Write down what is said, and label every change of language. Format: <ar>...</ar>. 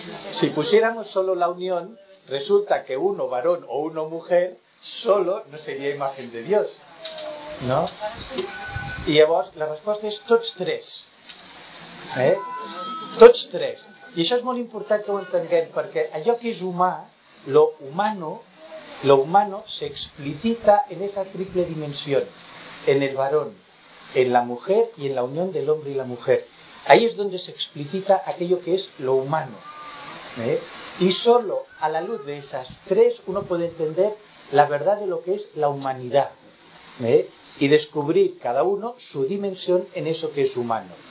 <es>Si pusiéramos solo la unión, resulta que uno varón o uno mujer solo no sería imagen de Dios, ¿no? Y a vos la respuesta es tots tres.</es> <ca>Tots tres. I això és molt important que ho entenguem, perquè allò que és humà,</ca> <es>lo humano se explicita en esa triple dimensión, en el varón, en la mujer y en la unión del hombre y la mujer. Ahí es donde se explicita aquello que es lo humano. Y solo a la luz de esas tres uno puede entender la verdad de lo que es la humanidad. Y descubrir cada uno su dimensión en eso que es humano.</es>